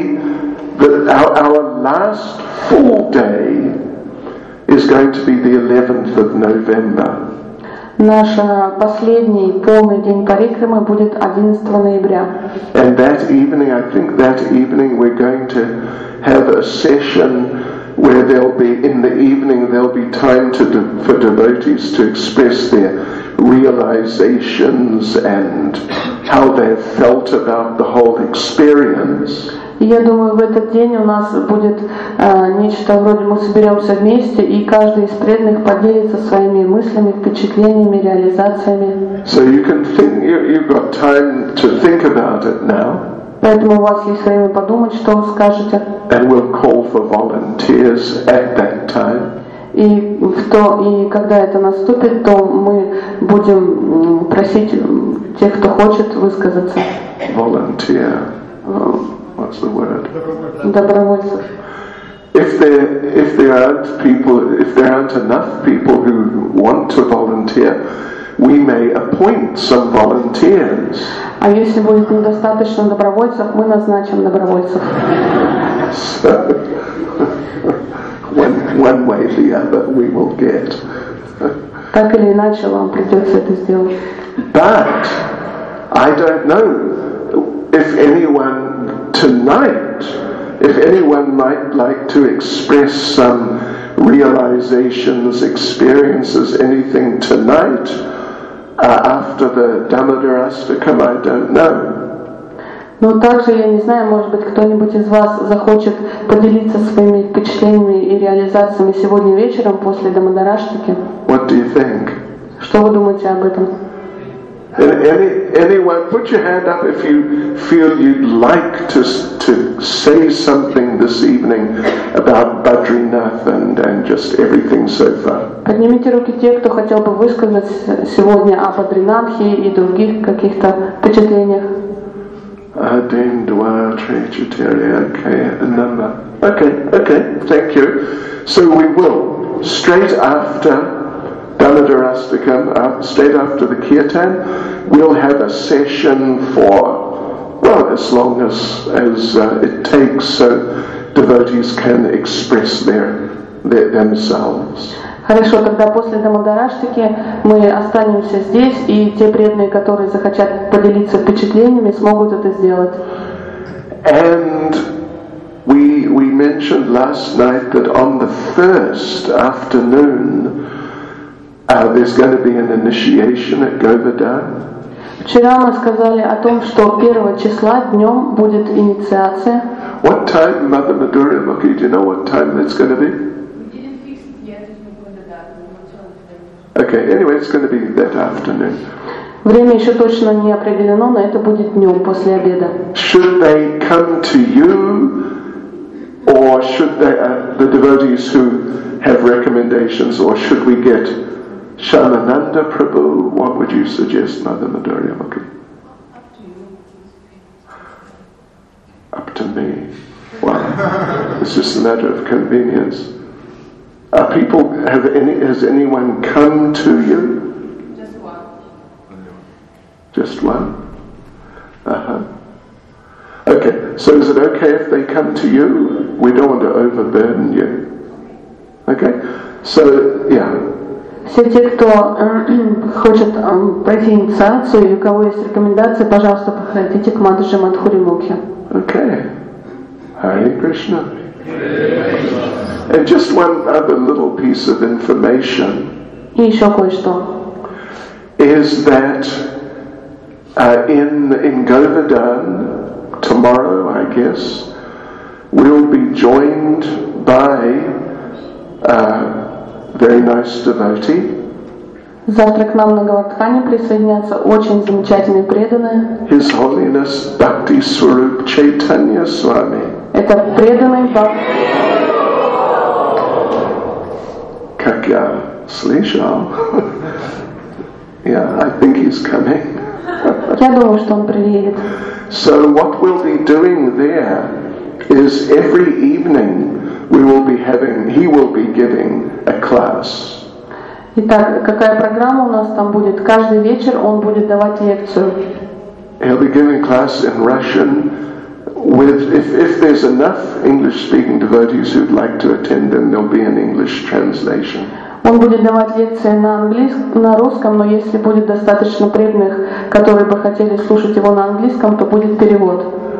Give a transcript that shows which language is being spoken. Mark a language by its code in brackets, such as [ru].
[en] Our last full day is going to be the 11th of November. [ru] Наш последний полный день парикримы будет 11 ноября. [en] And that evening, I think that evening we're going to have a session where there'll be, in the evening, there'll be time to for devotees to express their realizations and how they felt about the whole experience. [ru] Я думаю, в этот день у нас будет нечто вроде мы соберемся вместе и каждый из преданных поделится своими мыслями, впечатлениями, реализациями. [en] So you can think, you've got time to think about it now. [ru] Поэтому у вас есть время подумать, что вы скажете. [en] And we'll call for volunteers at that time. [ru] И когда это наступит, то мы будем просить тех, кто хочет высказаться. [en] Volunteer. What's the word? [ru] Добровольцев. [en] If there aren't enough people who want to volunteer, we may appoint some volunteers. [ru] А если будет недостаточно добровольцев, мы назначим добровольцев. [en] So, one way or the other, we will get. [ru] Так или иначе, вам придется это сделать. [en] But I don't know if anyone might like to express some realizations, experiences, anything tonight after the Damodar Astakam, I don't know. [ru] Но также я не знаю, может быть, кто-нибудь из вас захочет поделиться своими впечатлениями и реализациями сегодня вечером после Damodar Astakam. [en] What do you think? [ru] Что вы думаете об этом? [en] Anyone, put your hand up if you feel you'd like to say something this evening about Badrinath and just everything so far. [ru] Поднимите руки те, кто хотел бы высказать сегодня о Бадринатхе и других каких-то впечатлениях. Adin Dwar Trajitari, [en] okay, a number. Okay, thank you. So we will, straight after Damodar Astakam, straight after the Kirtan, we'll have a session for, well, as long as it takes, so devotees can express their themselves. [ru] Хорошо, тогда после Damodar Astakam мы останемся здесь, и те преданные, которые захотят поделиться впечатлениями, смогут это сделать. [en] And we mentioned last night that on the first afternoon There's going to be an initiation at Govardhan. [ru] Вчера мы сказали о том, что 1 числа днем будет инициация. [en] What time, Mother Madhuri Mukhi, do you know what time that's going to be? Okay, anyway, it's going to be that afternoon. [ru] Время еще точно не определено, но это будет днем после обеда. [en] Should they come to you, or should they, the devotees who have recommendations, or should we get Shamananda Prabhu? What would you suggest, Mother Madhuri Mukhi? Up to me. Well, it's just a matter of convenience. Are people, have any, has anyone come to you? Just one? Uh-huh. Okay, so is it okay if they come to you? We don't want to overburden you. Okay, so, yeah. [ru] Все те, кто хочет пройти инициацию, и у кого есть рекомендации, пожалуйста, приходите к Матхуре Мадхури Мукхи. [en] Okay. Hare Krishna. And just one other little piece of information. [ru] И еще кое-что. [en] Is that in Govardhan, tomorrow, I guess, we'll be joined by very nice devotee. [ru] Завтра к нам на Говардхане присоединятся очень замечательные преданные. [en] His Holiness Bhakti Swarup Chaitanya Swami. [ru] Это преданный Бхак. Как я слышал. [en] Yeah, I think he's coming. [ru] Я думаю, что он приедет. [en] So what we'll be doing there is every evening we will be having, he will be giving a class. [ru] Итак, какая программа у нас там будет? Каждый вечер он будет давать лекцию. [en] He'll be giving class in Russian with, if there's enough English-speaking devotees who'd like to attend, then there'll be an English translation. [ru] Он будет давать лекции на английском, на русском, но если будет достаточно преданных, которые бы хотели слушать его на английском, то будет перевод.